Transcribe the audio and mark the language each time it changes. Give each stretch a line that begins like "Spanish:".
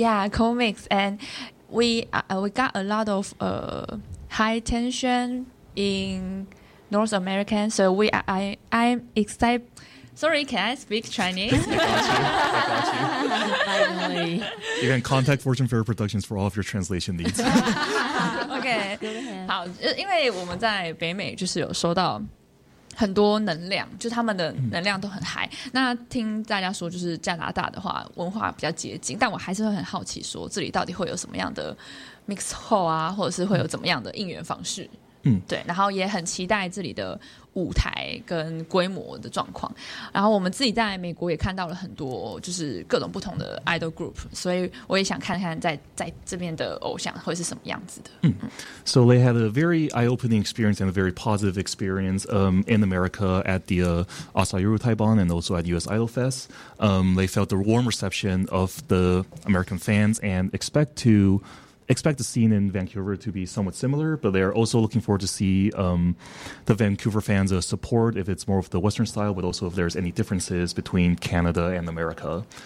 English: Comics, and we got a lot of high tension in North America. So I'm excited. Sorry, can I speak Chinese? You can contact Fortune Fair Productions for all of your translation needs.
Chinese: Okay, 好，因为我们在北美就是有收到很多能量，就他们的能量都很嗨。那听大家说，就是加拿大的话文化比较接近，但我还是会很好奇，说这里到底会有什么样的 mix hall 啊，或者是会有怎么样的应援方式？对，然后也很期待这里的舞台跟规模的状况。然后我们自己在美国也看到了很多，就是各种不同的 idol group， 所以我也想看看在这边的偶像会是什么样子的。
English: So they had a very eye-opening experience and a very positive experience in America at the Asayuru Taibon and also at US Idol Fest. They felt the warm reception of the American fans and expect the scene in Vancouver to be somewhat similar, but they're also looking forward to see the Vancouver fans' support, if it's more of the Western style, but also if there's any differences between Canada and America.